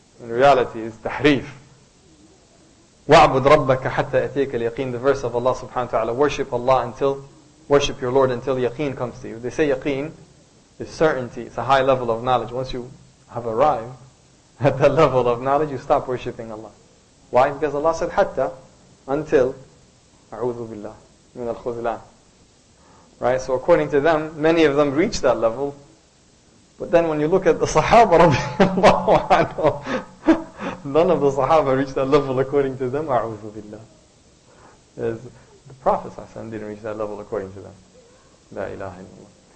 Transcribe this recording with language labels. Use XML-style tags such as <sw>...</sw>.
<en>In reality, it's tahrif. وَعْبُدْ رَبَّكَ حَتَّى يَتِيَكَ الْيَقِينَ, the verse of Allah subhanahu wa ta'ala, worship Allah until, worship your Lord until yaqeen comes to you. They say yaqeen is certainty. It's a high level of knowledge. Once you have arrived at the level of knowledge, you stop worshipping Allah. Why?</en> <ar>Because Allah said, حَتَّى until أَعُوذُ بِاللَّهِ مِنَ الْخُزْلَانِ.</ar> <en>Right? So according to them, many of them reach that level. But then when you look at the Sahaba, رَبِّيَ اللَّهُ, none of the Sahaba reached that level according to them, أَعُوذُ بِاللَّهِ. The Prophet ﷺ didn't reach that level according to them. لا إله إلا الله.</en>